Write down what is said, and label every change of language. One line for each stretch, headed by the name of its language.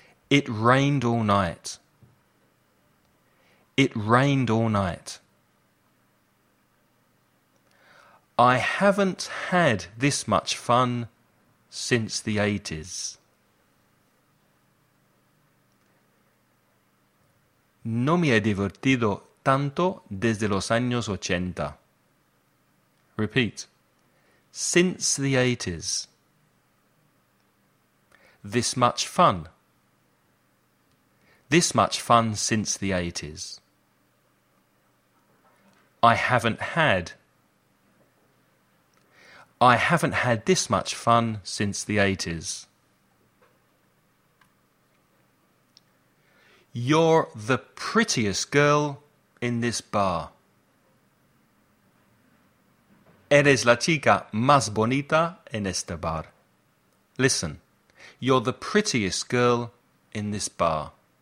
English: It rained all night. It rained all night. I haven't had this much fun since the 80s.
Spanish: No me he divertido tanto desde los años 80.
English: Repeat. Since the 80s. This much fun. This much fun since the 80s. I haven't had this much fun since the 80s. You're the prettiest girl in this bar.
Spanish: Eres la chica más bonita en este bar.
English: Listen, you're the prettiest girl in this bar.